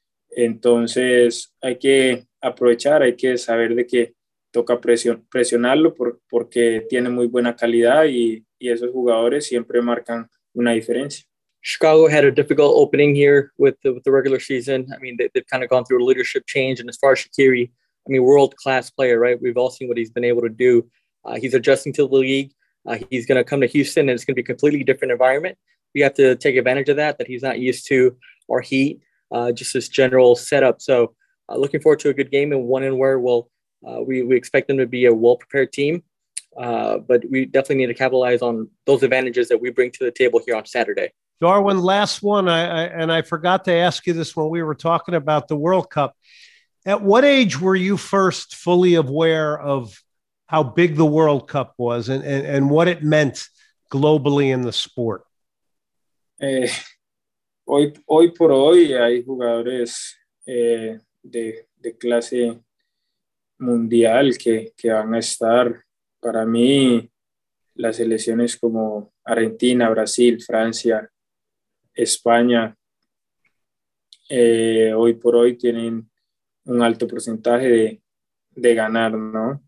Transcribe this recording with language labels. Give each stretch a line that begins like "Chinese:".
Spanish: Entonces hay que aprovechar, hay que saber de que toca presionarlo porque tiene muy buena calidad y esos jugadores siempre marcan una diferencia.
English: Chicago had a difficult opening here with the regular season. I mean, they've kind of gone through a leadership change. And as far as Shaqiri, I mean, world-class player, right? We've all seen what he's been able to do. He's adjusting to the league. He's going to come to Houston, and it's going to be a completely different environment. We have to take advantage of that he's not used to our heat, just this general setup. So looking forward to a good game and one in where we expect them to be a well-prepared team. But we definitely need to capitalize on those advantages that we bring to the table here on Saturday. Darwin, last one, I forgot to ask you this when we were talking about the World Cup. At what age were you first fully aware of how big the World Cup was and what it meant globally in the sport?
Spanish: Hoy por hoy hay jugadores de clase mundial que van a estar. Para mí, las selecciones como Argentina, Brasil, Francia, España, hoy por hoy tienen un alto porcentaje de ganar, ¿no?